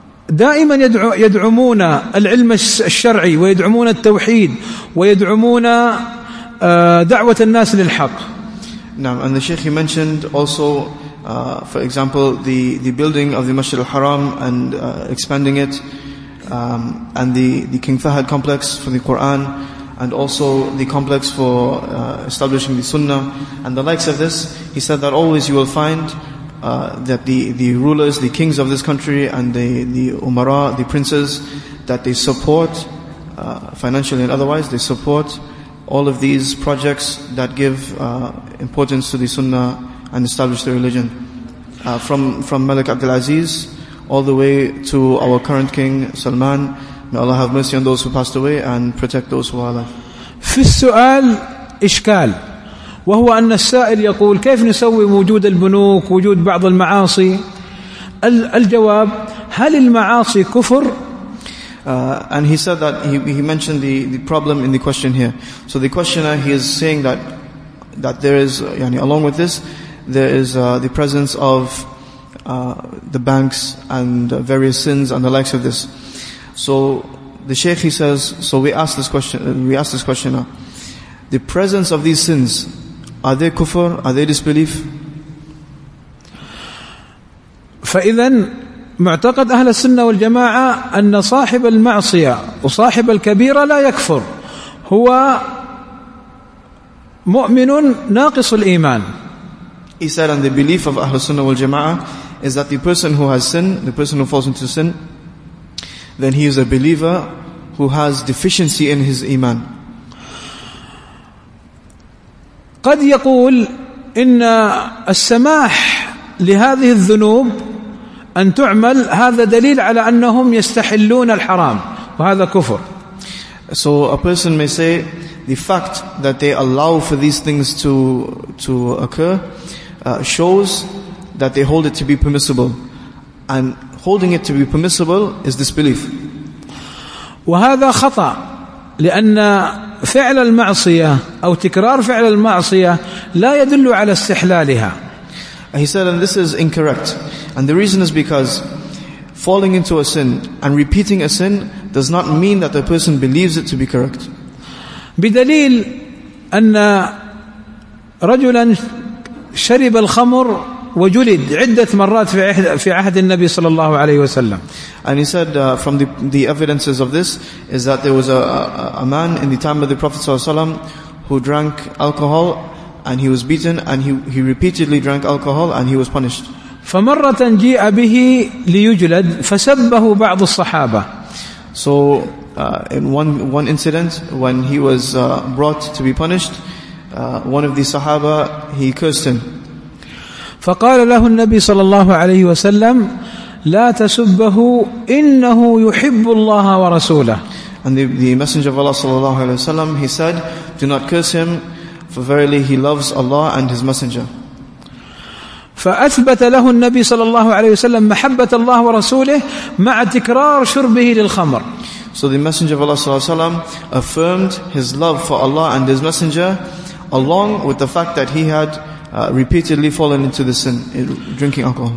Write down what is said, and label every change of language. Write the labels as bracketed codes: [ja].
[ar] دائما يدعمون العلم الشرعي ويدعمون التوحيد ويدعمون دعوة الناس للحق. نعم. [en] And the Sheikh, he mentioned also for example the building of the Masjid al-Haram and expanding it, and the King Fahad complex for the Quran, and also the complex for establishing the Sunnah and the likes of this. He said that always you will find that the rulers, the kings of this country, and the umara, the princes, that they support financially and otherwise, they support all of these projects that give importance to the Sunnah and establish the religion, from Malik Abdul Aziz all the way to our current king Salman. May Allah have mercy on those who passed away and protect those who are alive. [ar] في السؤال إشكال وهو أن السائل يقول كيف نسوي وجود البنوك وجود بعض المعاصي. الجواب هل المعاصي كفر؟ [en] And he said that he mentioned the problem in the question here. So the questioner, he is saying that there is, [ar] yani [en] along with this, there is the presence of the banks and various sins and the likes of this. So the Sheikh, he says, so we ask this questioner, the presence of these sins, are they kufr? Are they disbelief? [ar] فإذن معتقد أهل السنة والجماعة أن صاحب المعصية وصاحب الكبيرة لا يكفر، هو مؤمن ناقص الإيمان. [en] He said, and the belief of Ahl Sunnah wal Jama'ah is that the person who has sin, the person who falls into sin, then he is a believer who has deficiency in his iman. [ar] قد يقول إن السماح لهذه الذنوب أن تعمل هذا دليل على أنهم يستحلون الحرام وهذا كفر. [en] So a person may say the fact that they allow for these things to occur shows that they hold it to be permissible, and holding it to be permissible is disbelief. [ar] وهذا خطأ، لأن فعل المعصية أو تكرار فعل المعصية لا يدل على استحلالها. [en] He said, and this is incorrect. And the reason is because falling into a sin and repeating a sin does not mean that the person believes it to be correct. [ar] بدليل أن رجلا شرب الخمر وجلد عدة مرات في عهد النبي صلى الله عليه وسلم. [en] And he said, from the evidences of this is that there was a man in the time of the Prophet [ar] صلى الله عليه وسلم [en] who drank alcohol, and he was beaten, and he repeatedly drank alcohol, and he was punished. [ar] فمرة جاء به ليجلد فسبه بعض الصحابة. [en] So in one incident when he was brought to be punished, one of the Sahaba, he cursed him. [ar] فقال له النبي صلى الله عليه وسلم لا تسبه إنه يحب الله ورسوله. [en] And the Messenger of Allah [ar] صلى الله عليه وسلم, [en] he said, do not curse him, for verily he loves Allah and his Messenger. [ar] فأثبت له النبي صلى الله عليه وسلم محبة الله ورسوله مع تكرار شربه للخمر. [en] So the Messenger of Allah [ar] صلى الله عليه وسلم [en] affirmed his love for Allah and his Messenger along with the fact that he had repeatedly fallen into the sin, drinking alcohol.